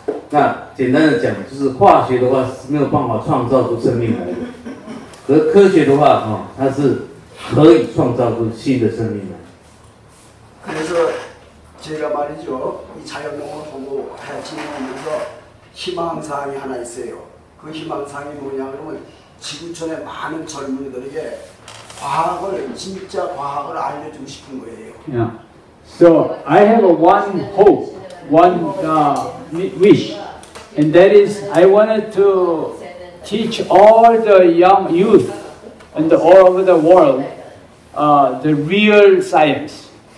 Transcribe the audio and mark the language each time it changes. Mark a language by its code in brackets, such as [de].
[zh] 那简单的讲，就是化学的话是没有办法创造出生命来的。而科学的话，它是可以创造出新的生命来的。所以，我讲的就是，以材料农业通过还有经济农业，希望上面 [ko] 하나 있어요. 그 희망사항이 뭐냐면 지구촌의 많은 젊은이들에게 과학을 진짜 과학을 알려주고 싶은 거예요. [en] Yeah. So I have one hope, one wish, and that is I wanted to teach all the young youth and all over the world the real science.